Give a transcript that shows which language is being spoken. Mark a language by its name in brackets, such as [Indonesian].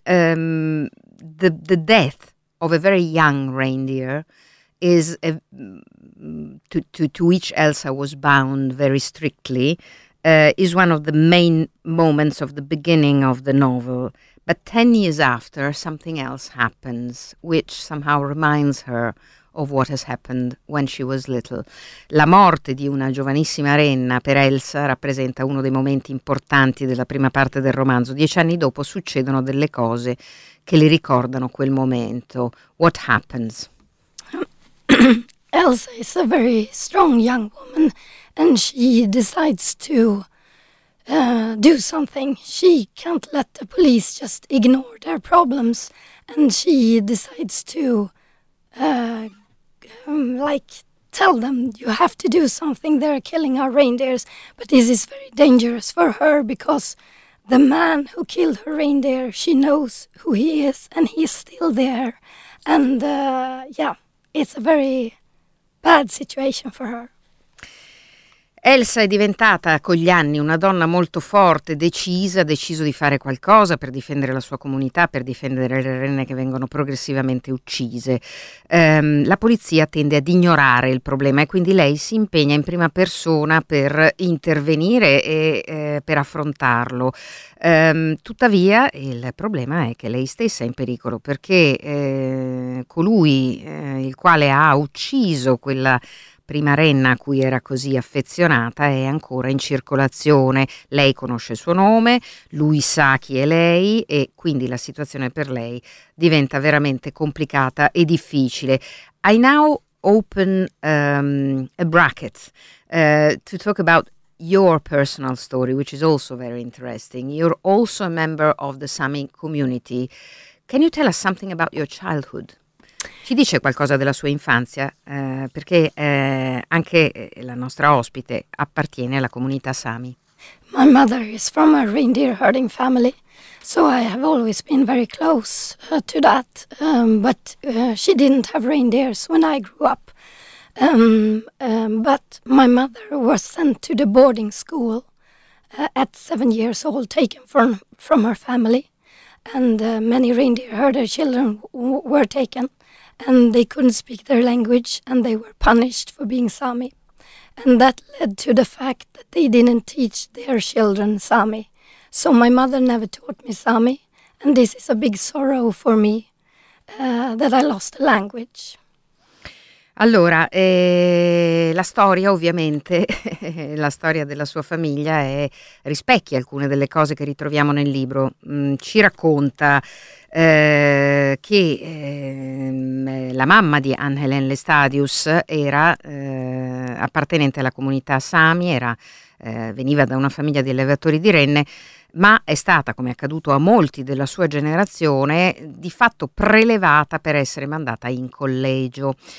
[English] The death of a very young reindeer is to which Elsa was bound very strictly is one of the main moments of the beginning of the novel. But 10 years after, something else happens, which somehow reminds her of what has happened when she was little. [Italian] La morte di una giovanissima renna per Elsa rappresenta uno dei momenti importanti della prima parte del romanzo. 10 anni dopo succedono delle cose che le ricordano quel momento. [English] What happens? Elsa is a very strong young woman and she decides to do something. She can't let the police just ignore their problems and she decides to like tell them you have to do something, they're killing our reindeers, but this is very dangerous for her because the man who killed her reindeer, she knows who he is and he's still there, and yeah, it's a very bad situation for her. [Italian] Elsa è diventata con gli anni una donna molto forte, decisa, ha deciso di fare qualcosa per difendere la sua comunità, per difendere le renne che vengono progressivamente uccise. La polizia tende ad ignorare il problema e quindi lei si impegna in prima persona per intervenire e per affrontarlo. Tuttavia il problema è che lei stessa è in pericolo perché colui il quale ha ucciso quella prima renna a cui era così affezionata è ancora in circolazione. Lei conosce il suo nome, lui sa chi è lei e quindi la situazione per lei diventa veramente complicata e difficile. [English] I now open a bracket to talk about your personal story, which is also very interesting. You're also a member of the Sami community. Can you tell us something about your childhood? [Italian] Ci dice qualcosa della sua infanzia, perché anche la nostra ospite appartiene alla comunità Sami. [English] My mother is from a reindeer herding family, so I have always been very close to that, but she didn't have reindeers when I grew up. But my mother was sent to the boarding school at 7 years old, taken from her family, and many reindeer herder children were taken. And they couldn't speak their language and they were punished for being Sami. And that led to the fact that they didn't teach their children Sami. So my mother never taught me Sami. And this is a big sorrow for me that I lost the language. [Italian] Allora, la storia ovviamente, la storia della sua famiglia è rispecchia alcune delle cose che ritroviamo nel libro. Ci racconta che la mamma di Ann-Helen Lestadius era appartenente alla comunità Sami, veniva da una famiglia di allevatori di renne, ma è stata, come è accaduto a molti della sua generazione, di fatto prelevata per essere mandata in collegio.